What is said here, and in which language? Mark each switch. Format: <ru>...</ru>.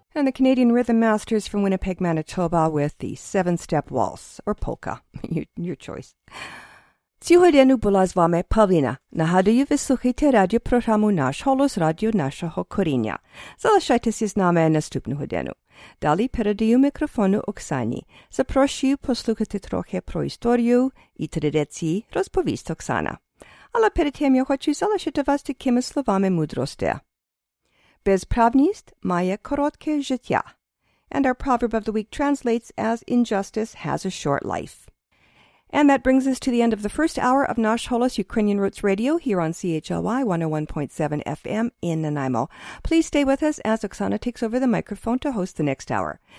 <en>Canadian Rhythm Masters from Winnipeg, Manitoba with the Seven-Step Waltz, or polka, your choice.</en> <uk>Цього дня була з вами Павліна. Нагадую, ви слухаєте радіопрограму «Наш голос» радіо нашого коріння. Залишайтеся з нами наступного дня. Далі передаю мікрофону Оксані. Запрошую послухати трохи про історію і традиції, розповість Оксана. Але перед тим я хочу залишити вас такими словами мудрості. Безправність має коротке життя.</uk> <en>And our proverb of the week translates as injustice has a short life. And that brings us to the end of the first hour of Nash Holos Ukrainian Roots Radio here on CHLY 101.7 FM in Nanaimo. Please stay with us as Oksana takes over the microphone to host the next hour.</en>